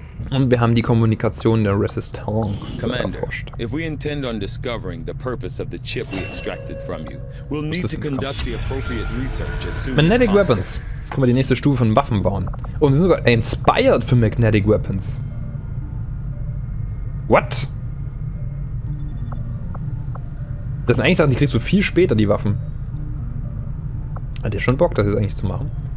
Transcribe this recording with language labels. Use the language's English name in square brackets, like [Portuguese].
[German] Und wir haben die Kommunikation der Resistance erforscht. [English] If we intend on discovering the purpose of the chip we extracted from you, we'll need to conduct the appropriate research as soon as Magnetic Weapons. [German] Jetzt können wir die nächste Stufe von Waffen bauen. Oh, wir sind sogar inspired für Magnetic Weapons. [English] What? [German] Das sind eigentlich Sachen, die kriegst du viel später, die Waffen. Hat der schon Bock, das jetzt eigentlich zu machen?